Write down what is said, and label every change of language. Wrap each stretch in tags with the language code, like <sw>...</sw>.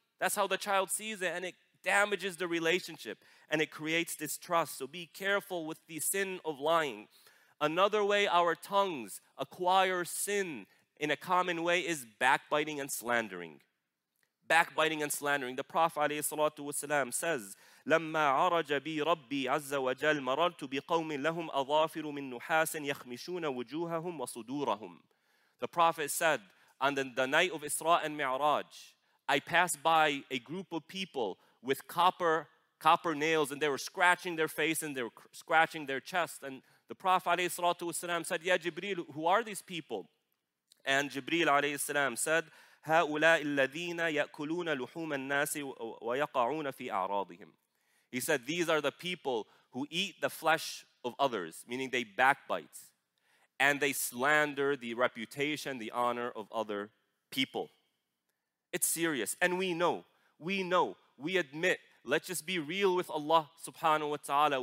<en>That's how the child sees it, and it damages the relationship, and it creates distrust. So be careful with the sin of lying. Another way our tongues acquire sin in a common way is backbiting and slandering. Backbiting and slandering. The Prophet</en> <ar>عليه الصلاة والسلام</ar> <en>says,</en> <ar>لَمَّا عَرَجَ بِي رَبِّي عَزَّ وَجَلْ مَرَرْتُ بِقَوْمٍ لَهُمْ أَظَافِرُ مِنْ نُحَاسٍ يَخْمِشُونَ وُجُوهَهُمْ وَصُدُورَهُمْ.</ar> <en>The Prophet said, on the night of Isra and Mi'raj, I passed by a group of people with copper nails and they were scratching their face and they were scratching their chest. And the Prophet ﷺ said, Ya Jibreel, who are these people? And Jibreel ﷺ said,</en> <ar>هَؤُلَاءِ الَّذِينَ يَأْكُلُونَ لُحُومَ النَّاسِ وَيَقَعُونَ فِي أَعْرَاضِهِمْ.</ar> <en>He said, these are the people who eat the flesh of others, meaning they backbite and they slander the reputation, the honor of other people. It's serious. And we know, we admit, let's just be real with Allah subhanahu wa ta'ala.</en>